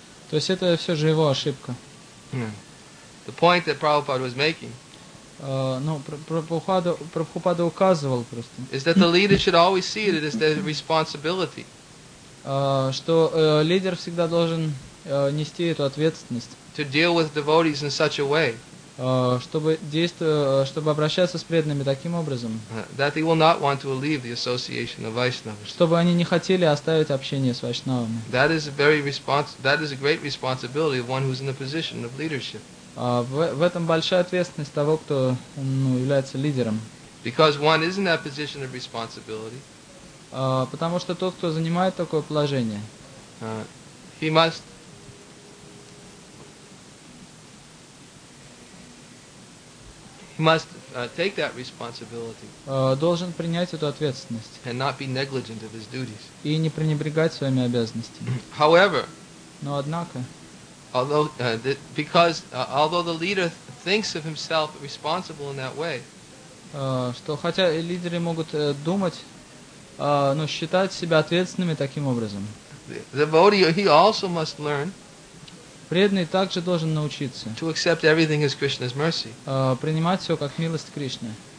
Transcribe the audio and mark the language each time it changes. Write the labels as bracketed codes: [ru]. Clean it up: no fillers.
[ru] То есть это все же его ошибка. [en] The point that Prabhupada was making. [ru] Прабхупада указывал просто. [en] Is that the leader should always see it as their responsibility. [ru] Что лидер всегда должен нести эту ответственность. [en] To deal with devotees in such a way. [ru] чтобы действовать, чтобы обращаться с преданными таким образом, чтобы они не хотели оставить общение с вайшнавами. В этом большая ответственность того, кто является лидером. [en] Because one is in that position of responsibility. [ru] Потому что тот, кто занимает такое положение, [en] he must. Take that responsibility. [ru] Должен принять эту ответственность. [en] And not be negligent of his duties. [ru] И не пренебрегать своими обязанностями. [en] However. [ru] Но однако. [en] Although the leader thinks of himself responsible in that way. [ru] Что хотя лидеры могут думать, но считать себя ответственными таким образом. [en] The devotee, he also must learn. [ru] Преданный также должен научиться [en] to accept everything as Krishna's mercy. [ru] Принимать все как милость Кришны.